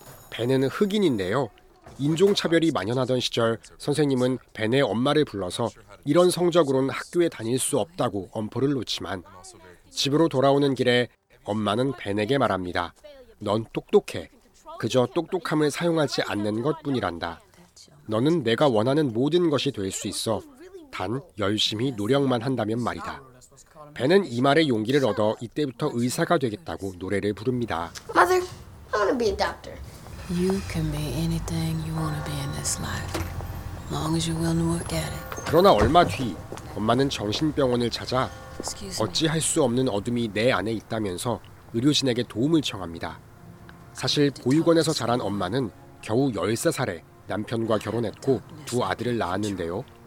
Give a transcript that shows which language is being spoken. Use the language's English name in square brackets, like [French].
[Korean] 벤은 흑인인데요. 인종차별이 만연하던 시절 선생님은 벤의 엄마를 불러서 이런 성적으론 학교에 다닐 수 없다고 엄포를 놓지만 집으로 돌아오는 길에 엄마는 벤에게 말합니다. 넌 똑똑해. 그저 똑똑함을 사용하지 않는 것뿐이란다. 너는 내가 원하는 모든 것이 될 수 있어. 단 열심히 노력만 한다면 말이다. 벤은 이 말에 용기를 얻어 이때부터 의사가 되겠다고 노래를 부릅니다. [English] Mother, I want to be a doctor. You can be anything you want to be in this life. Long as you're willing to work at it. [Korean] 그러나 얼마 뒤 엄마는 정신병원을 찾아 어찌할 수 없는 어둠이 내 안에 있다면서 의료진에게 도움을 청합니다. 사실 보육원에서 자란 엄마는 겨우 13살에 남편과 결혼했고 두 아들을 낳았는데요.